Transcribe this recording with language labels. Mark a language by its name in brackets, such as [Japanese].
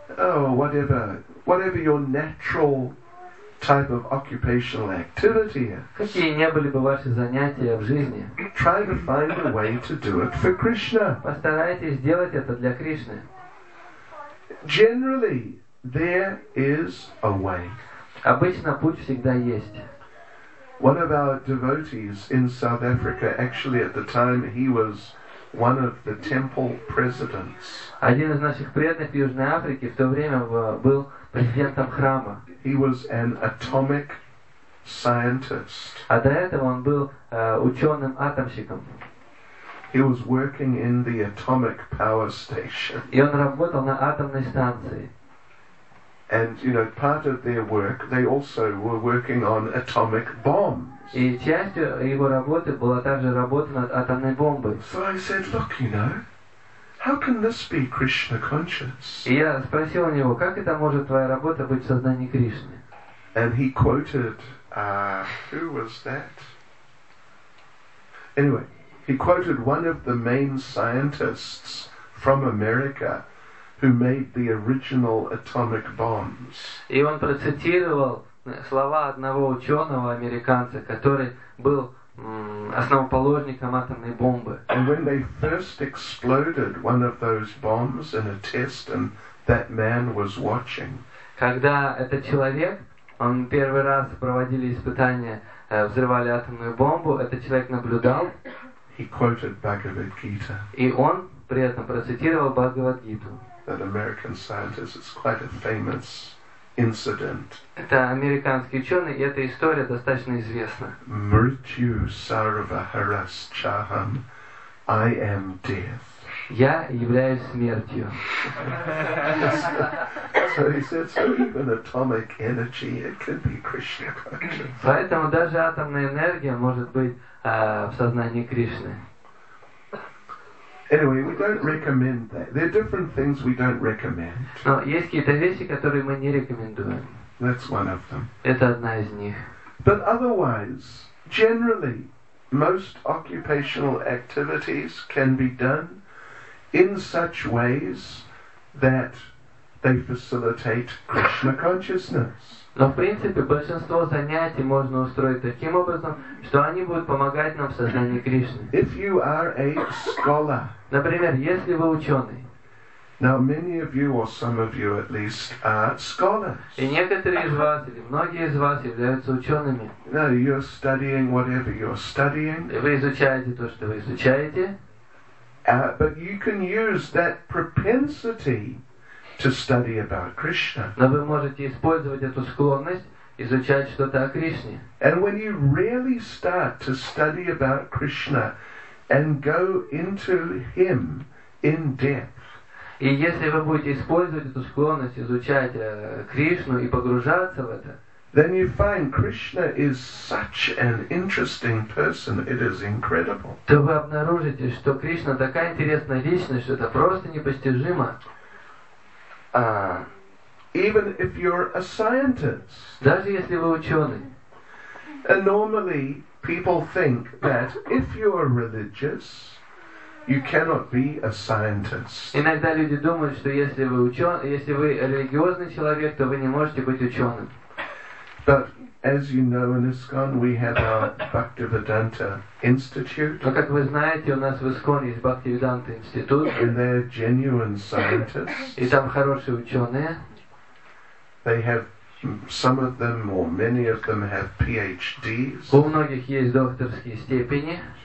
[English] Oh, whatever your natural type of occupational activity is. [Russian] Какие ни были бы ваши занятия в жизни. [English] Try to find a way to do it for Krishna. [Russian] Постарайтесь сделать это для Кришны. [English] Generally, there is a way. [Russian] Обычно путь всегда есть. [English] One of our devotees in South Africa, actually at the time he was one of the temple presidents. [Russian] Один из наших преданных в Южной Африке в то время был президентом храма. [English] He was an atomic scientist. [Russian] А до этого он был ученым-атомщиком. [English] He was working in the atomic power station. [Russian] И он работал на атомной станции. [English] And you know, part of their work, they also were working on atomic bombs. [Russian] И частью его работы была также работа над атомной бомбой. [English] So I said, look, you know, how can this be Krishna conscious? [Russian] И я спросил у него, как это может твоя работа быть в сознании Кришны? [English] And he quoted, who was that? Anyway, he quoted one of the main scientists from America. Who made the original atomic bombs? [Russian] И он процитировал слова одного ученого американца, который был основоположником атомной бомбы. [English] And when they first exploded one of those bombs in a test, and that man was watching. [Russian] Когда этот человек, он первый раз проводили испытания, взрывали атомную бомбу, этот человек наблюдал. [English] He quoted Bhagavad Gita. [Russian] И он при этом процитировал Бхагавад Гиту. [English] That American scientist is quite a famous incident. [Russian] Это американский ученый, и эта история достаточно известна. [Sanskrit] Mrityu sarvaharas chaham, [English] I am death. [Russian] Я являюсь смертью. [English] So he said, so even atomic energy, it could be Krishna conscious. [Russian] Поэтому даже атомная энергия может быть в сознании Кришны. [English] Anyway, we don't recommend that. There are different things we don't recommend. [Russian] Но есть какие-то вещи, которые мы не рекомендуем. [English] That's one of them. [Russian] Это одна из них. [English] But otherwise, generally, most occupational activities can be done in such ways that they facilitate Krishna consciousness. [Russian] Но в принципе большинство занятий можно устроить таким образом, что они будут помогать нам в сознании Кришны. [English] If you are a scholar, [Russian] например, если вы ученый. [English] Now many of you, or some of you at least, are scholars. [Russian] И некоторые из вас, или многие из вас являются учеными. [English] No, you're studying whatever you're studying. [Russian] Вы изучаете то, что вы изучаете. [English] But you can use that propensity to study about Krishna. [Russian] Но вы можете использовать эту склонность изучать что-то о Кришне. [English] And when you really start to study about Krishna and go into him in depth. [Russian] И если вы будете использовать эту склонность изучать Кришну и погружаться в это, [English] then you find Krishna is such an interesting person, it is incredible. [Russian] То вы обнаружите, что Кришна такая интересная личность, что это просто непостижимо. [English] Even if you're a scientist. [Russian] Даже если вы ученый. [English] And normally people think that if you are religious, You cannot be a scientist. [Russian] Иногда люди думают, что если вы ученый, если вы религиозный человек, то вы не можете быть ученым. [English] But as you know, in ISKCON we have our Bhaktivedanta Institute. [Russian] Но как вы знаете, у нас в ИСКОН есть Бхактивиданта Институт. [English] And they're genuine scientists. [Russian] И там хорошие ученые. [English] They have some of them, or many of them, have PhDs. [Russian] У многих есть докторские степени.